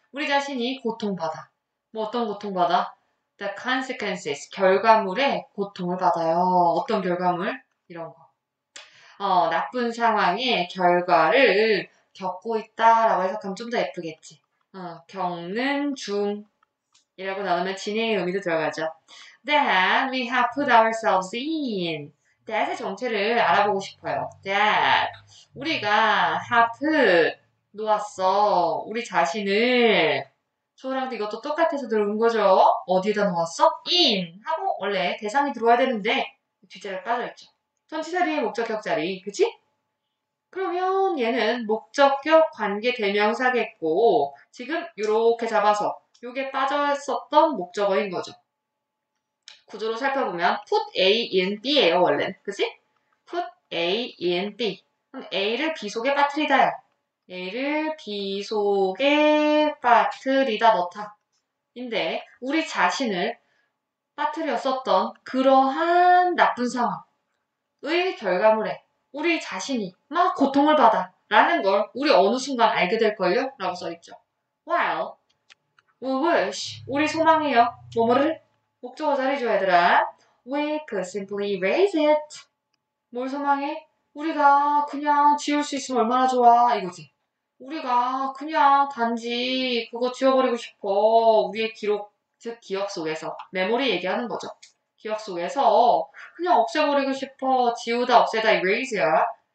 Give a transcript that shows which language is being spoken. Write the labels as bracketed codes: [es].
[ko] 우리 자신이 고통받아. 뭐 어떤 고통받아? [en] The consequences. [ko] 결과물에 고통을 받아요. 어떤 결과물? 이런 거. 나쁜 상황의 결과를 겪고 있다라고 해석하면 좀더 예쁘겠지. 겪는 중이라고 나누면 진행의 의미도 들어가죠. [en] That we have put ourselves in. [ko] That의 정체를 알아보고 싶어요. [en] That [ko] 우리가 [en] have put [ko] 놓았어. 우리 자신을 저랑 이것도 똑같아서 들어온 거죠. 어디에다 놓았어? In 하고 원래 대상이 들어와야 되는데 뒷자리가 빠져있죠. 전치사리의 목적격자리, 그치? 그러면 얘는 목적격 관계 대명사겠고 지금 요렇게 잡아서 요게 빠져있었던 목적어인 거죠. 구조로 살펴보면 [en] put A in B [ko] 예요, 원래는. 그치? [en] put A in B. [ko] 그럼 A를 B 속에 빠뜨리다야. A를 B 속에 빠뜨리다 넣다. 인데 우리 자신을 빠뜨렸었던 그러한 나쁜 상황의 결과물에 우리 자신이 막 고통을 받아. 라는 걸 우리 어느 순간 알게 될 걸요? 라고 써있죠. [en] While we wish, [ko] 우리 소망해요. 뭐뭐를? 목적어 자리 줘, 얘들아. [en] We could simply raise it. [ko] 뭘 소망해? 우리가 그냥 지울 수 있으면 얼마나 좋아. 이거지. 우리가 그냥 단지 그거 지워버리고 싶어. 우리의 기록, 즉, 기억 속에서. 메모리 얘기하는 거죠. 기억 속에서 그냥 없애버리고 싶어. 지우다, 없애다, erase야.